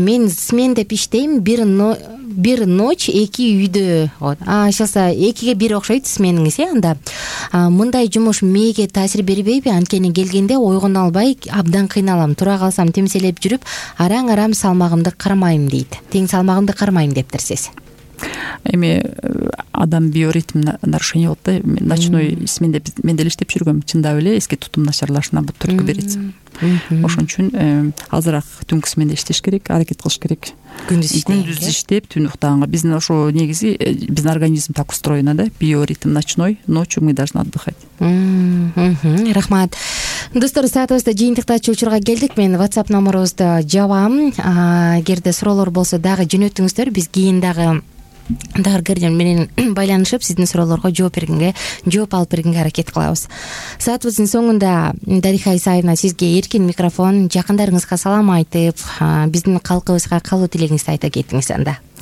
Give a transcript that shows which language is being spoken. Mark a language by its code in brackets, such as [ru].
[ky] Мен сменде иштейм, бир ночь эки үйдө. Ачылса экиге бир окшойт смениңиз, э анда. Мындай жумуш мээге таасир бербейби? Анткени келгенде ойгоно албай абдан кыйналам. Тура калсам темселеп жүрүп, араң-арам салмагымды кармайм дейт. Тең салмагымды кармайм дептир сиз. Эми адам биоритм нарушение болот да. Ночной сменде менде эле иштеп жүргөм, чындап эле эске тутум начарлашына бут түрткү берет. Ошон үчүн азыраак түнкү сменде иштеш керек, аракет кылыш керек. Күндүз иштеп түн уктаганга. Биздин ошо негизи биздин организм [ru] так устроено [ky] да. [ru] Биоритм ночной, ночью мы должны отдыхать. [ky] Рахмат. Достор, саатыбызды жыйынтыктачу учурга келдик. Мен WhatsApp номерибизди жабам. Эгерде суроолор болсо дагы жөнөтүңүздөр. Биз кийин дагы дагы менен байланышып сиздин суроолорго жооп алып бергенге аракет кылабыз. Саатыбыздын соңунда Дариха Исаевна, сизге эркин микрофон, жакындарыңызга салам айтып, биздин калкыбызга калуу тилегиңизди айта кетиңиз анда.